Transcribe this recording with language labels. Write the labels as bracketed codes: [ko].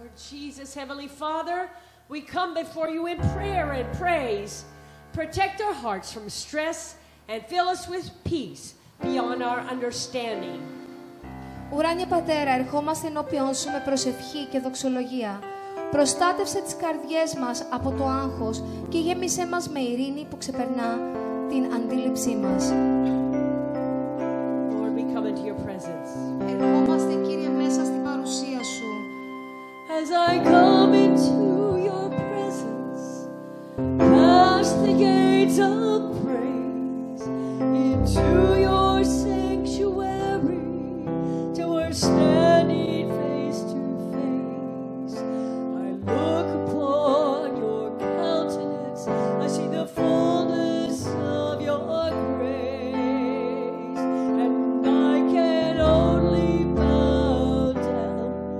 [en] Jesus, Heavenly Father, we come before you in prayer and praise. Protect our hearts from stress and fill us with peace beyond our understanding. [el] Ουράνιε Πατέρα, ερχόμαστε ενώπιον σου με προσευχή και δοξολογία. Προστάτευσε τις καρδιές μας από το άγχος και γέμισε μας με ειρήνη που ξεπερνά την αντίληψή μας. [en] Lord, we come into your presence. [el] Ερχόμαστε, Κύριε, μέσα στην παρουσία σου. [en] As I come into your presence, past the gates of praise, into your sanctuary, to where standing face to face, I look upon your countenance, I see the fullness of your grace, and I can only bow down,